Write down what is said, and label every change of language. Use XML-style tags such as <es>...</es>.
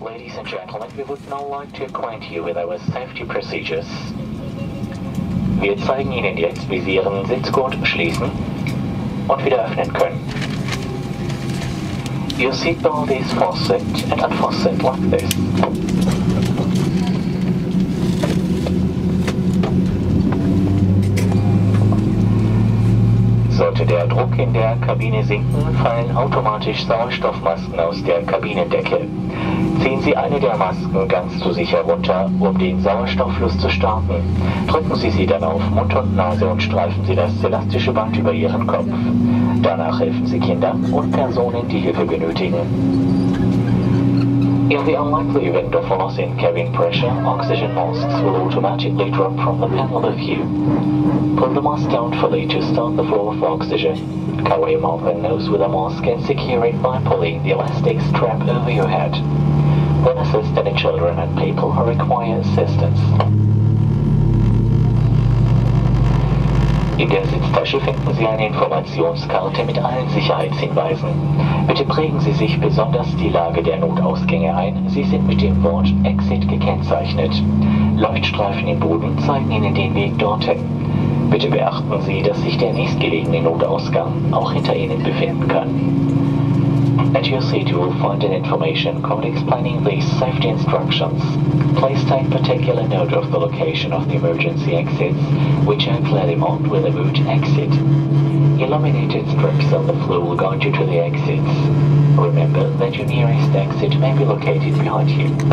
<en>Ladies and gentlemen, we would now like to acquaint you with our safety procedures.</en> <de>Wir zeigen Ihnen jetzt, wie Sie Ihren Sitzgurt schließen und wieder öffnen können.</de> <en>Your seatbelt is fastened and unfastened like this.</en> <de>Sollte der Druck in der Kabine sinken, fallen automatisch Sauerstoffmasken aus der Kabinendecke. Ziehen Sie eine der Masken ganz zu sich herunter, um den Sauerstofffluss zu starten. Drücken Sie sie dann auf Mund und Nase und streifen Sie das elastische Band über Ihren Kopf. Danach helfen Sie Kindern und Personen, die Hilfe benötigen.</de> <en>In the unlikely event of loss in cabin pressure, oxygen masks will automatically drop from the panel of view. Put the mask down fully to start the flow of oxygen. Cover your mouth and nose with a mask and secure it by pulling the elastic strap over your head. When assist any children and people who require assistance.</en> <de>In der Sitztasche finden Sie eine Informationskarte mit allen Sicherheitshinweisen. Bitte prägen Sie sich besonders die Lage der Notausgänge ein. Sie sind mit dem Wort Exit gekennzeichnet. Leuchtstreifen im Boden zeigen Ihnen den Weg dorthin. Bitte beachten Sie, dass sich der nächstgelegene Notausgang auch hinter Ihnen befinden kann.</de> <en>At your seat you will find an information code explaining these safety instructions. Please take particular note of the location of the emergency exits, which are clearly marked with a MUC exit. Illuminated strips on the floor will guide you to the exits. Remember that your nearest exit may be located behind you.</en>